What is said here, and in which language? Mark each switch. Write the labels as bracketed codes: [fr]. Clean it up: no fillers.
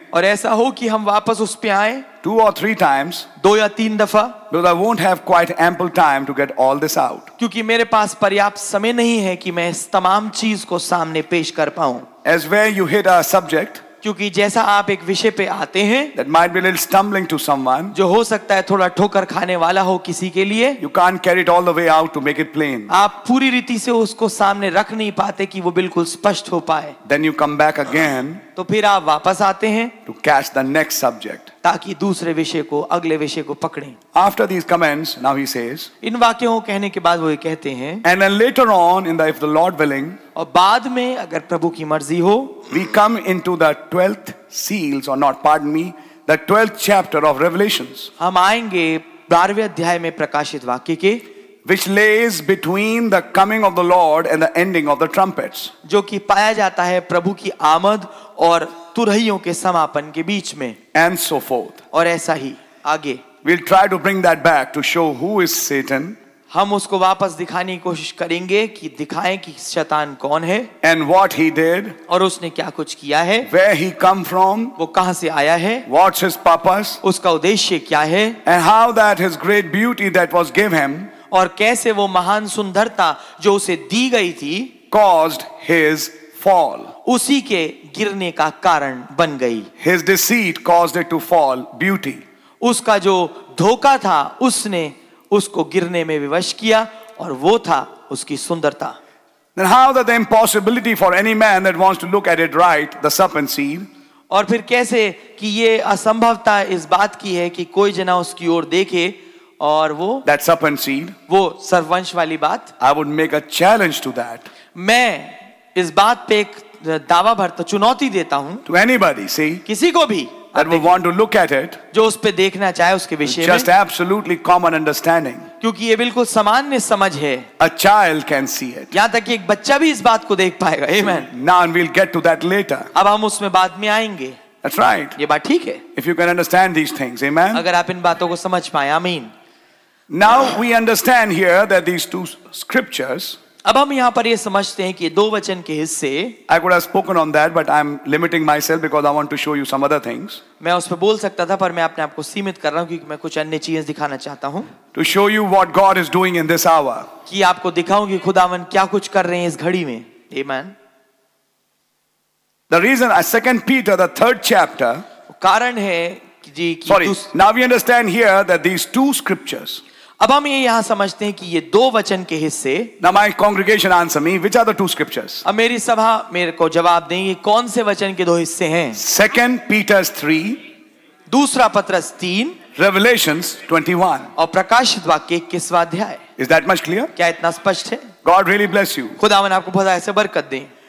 [hi] और ऐसा हो कि हम वापस उस पे आएं. [en] Two or three times. [hi] दो या तीन दफा. [en] Because I won't have quite ample time to get all this out. [hi] क्योंकि मेरे पास पर्याप्त समय नहीं है कि मैं इस तमाम चीज को सामने पेश कर पाऊं. [en] As where you hit a subject. [hi] क्योंकि जैसा आप एक विषय पे आते हैं, [en] that might be a little stumbling to someone, [hi] जो हो सकता है थोड़ा ठोकर खाने वाला हो किसी के लिए, [en] you can't carry it all the way out to make it plain. [hi] आप पूरी रीति से उसको सामने रख नहीं पाते कि वो बिल्कुल स्पष्ट हो पाए. [en] Then you come back again, [hi] तो फिर आप वापस आते हैं, [en] to catch the next subject. [hi] ताकि दूसरे विषय को अगले विषय को पकड़े. [en] After these comments, now he says, [hi] इन वाक्यों कहने के बाद वो ये कहते हैं, [en] and then later on, in the, if the Lord willing, [hi] और बाद में अगर प्रभु की मर्जी हो, [en] we come into the 12th seals, or not, pardon me, the 12th chapter of Revelations. [hi] हम आएंगे 12वें अध्याय में प्रकाशित वाक्य के, [en] which lays between the coming of the Lord and the ending of the trumpets. [hi] जो कि पाया जाता है प्रभु की आमद और तुरहियों के समापन के बीच में. [en] And so forth. [hi] और ऐसा ही आगे. [en] We'll try to bring that back to show who is Satan. [hi] हम उसको वापस दिखाने की कोशिश करेंगे कि दिखाएं कि शैतान कौन है. [en] And what he did. [hi] और उसने क्या कुछ किया है. [en] Where he come from. [hi] वो कहां से आया है. [en] What's his purpose. [hi] उसका उद्देश्य क्या है. [en] And how that his great beauty that was given him. [hi] और कैसे वो महान सुंदरता जो उसे दी गई थी [en] caused his fall. [hi] उसी के गिरने का कारण बन गई. [en] His deceit caused it to fall beauty. [hi] उसका जो धोखा था उसने उसको गिरने में विवश किया और वो था उसकी सुंदरता. [en] Then how that the impossibility for any man that wants to look at it right, the serpent seed. [hi] और फिर कैसे कि ये असंभवता इस बात की है कि कोई जना उसकी ओर देखे और वो [en] that serpent seed. [hi] वो सर्वंश वाली बात. [en] I would make a challenge to that. [hi] मैं इस बात पे एक दावा भरता चुनौती देता हूँ. [en] To anybody, see. [hi] किसी को भी. [en] That would want to look at it. [hi] जो उस पे देखना चाहे उसके विषय में. [en] Just absolutely common understanding. [hi] क्योंकि ये बिल्कुल सामान्य समझ है. [en] A child can see it. [hi] यहाँ तक कि एक बच्चा भी इस बात को देख पाएगा. [en] Amen. Now and we'll get to that later. [hi] अब हम उसमें बाद में आएंगे. [en] That's right. [hi] ये बात ठीक है. [en] If you can understand these things, amen. [hi] अगर आप इन बातों को समझ पाए, आमीन. [en] Now we understand here that these two scriptures. [hi] अब हम यहाँ पर ये समझते हैं कि दो वचन के हिस्से. [en] I could have spoken on that, but I'm limiting myself because I want to show you some other things. [hi] मैं उस पर बोल सकता था, पर मैं अपने आप को सीमित कर रहा हूँ क्योंकि मैं कुछ अन्य चीजें दिखाना चाहता हूँ. [en] To show you what God is doing in this hour. [hi] कि आपको दिखाऊं कि खुदावन क्या कुछ कर रहे हैं इस घड़ी में. [en] Amen. The reason, Second Peter, the third chapter. [hi] कारण है कि जी. [en] Sorry. Now we understand here that these two scriptures. [hi] अब हम ये यहाँ समझते हैं कि ये दो वचन के हिस्से. [en] Now my congregation answer me, which are the two scriptures? [hi] अब मेरी सभा मेरे को जवाब देंगे कौन से वचन के दो हिस्से हैं. [en] Second Peter's 3, [hi] दूसरा पत्रस 3, [en] Revelations 21, [hi] और प्रकाशित वाक्य 21वां अध्याय. [en] Is that much clear? [hi] क्या इतना स्पष्ट है? [en] God really bless you. [hi] खुदावन आपको बहुत ऐसे बरकत दें.